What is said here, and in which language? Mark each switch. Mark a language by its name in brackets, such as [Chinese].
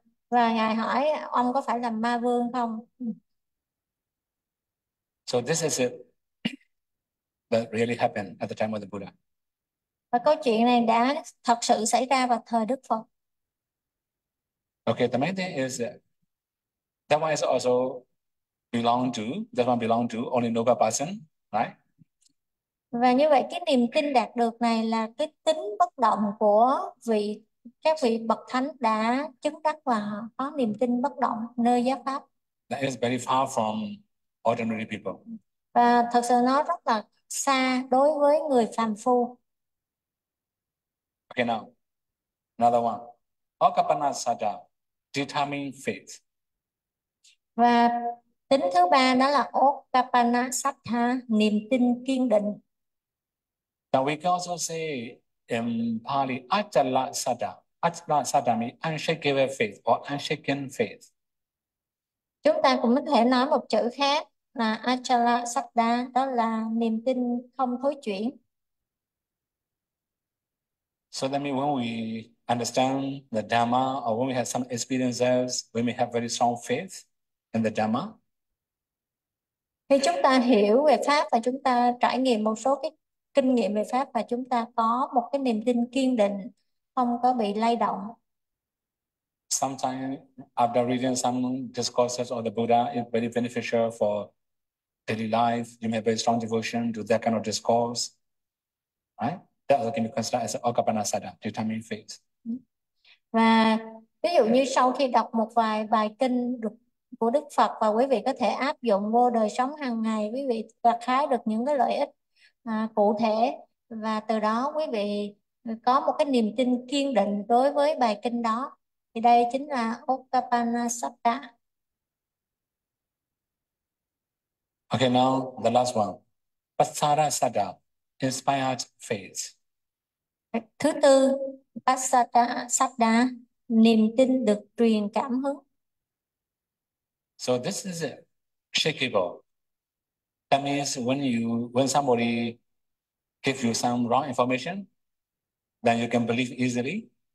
[Vietnamese] Và ngài hỏi ông có phải là Ma Vương không? [English] Buddha. So this is it that really happened at the time of [Vietnamese] Và câu chuyện này đã thật sự xảy ra vào thời Đức Phật. [English] the Buddha. Okay, the main thing is that one is also belong to, that one belong to only Noble Person, right? [Vietnamese] Và như vậy cái niềm tin đạt được này là cái tính bất động của các vị bậc thánh đã chứng đắc và có niềm tin bất động nơi giáo pháp. [English] That is very far from ordinary people. [Vietnamese] Và thật sự nó rất là xa đối với người phàm phu. [English] Okay, now, another one. Okapanasada, determine faith. [Vietnamese] Và tính thứ ba đó là Okkappana Saddha, niềm tin kiên định. [English] Now we can also say in Pali, Achala Sada means unshakable faith or unshaken faith. [Vietnamese] Chúng ta cũng có thể nói một chữ khác là Achala Saddha, đó là niềm tin không thối chuyển. [English] So that means when we understand the Dhamma or when we have some experiences, we may have very strong faith in the Dhamma. [Vietnamese] Khi chúng ta hiểu về pháp và chúng ta trải nghiệm một số cái kinh nghiệm về pháp và chúng ta có một cái niềm tin kiên định không có bị lay động. [English] Sometimes after reading some discourses of the Buddha, it's very beneficial for daily life. You may have very strong devotion to that kind of discourse, right? That also can be considered as Okkappana-saddha, determined faith. [Vietnamese] Và ví dụ như sau khi đọc một vài bài kinh của Đức Phật và quý vị có thể áp dụng vô đời sống hàng ngày, quý vị gặt hái được những cái lợi ích cụ thể và từ đó quý vị có một cái niềm tin kiên định đối với bài kinh đó, thì đây chính là Okkappana-saddha. [English] Okay, now the last one. Patthara Saddha, inspired faith. [Vietnamese] Thứ tư, Passada Sada, niềm tin được truyền cảm hứng. [English] So this is it. Shakeable. That means when somebody gives you some wrong information, then you can believe easily.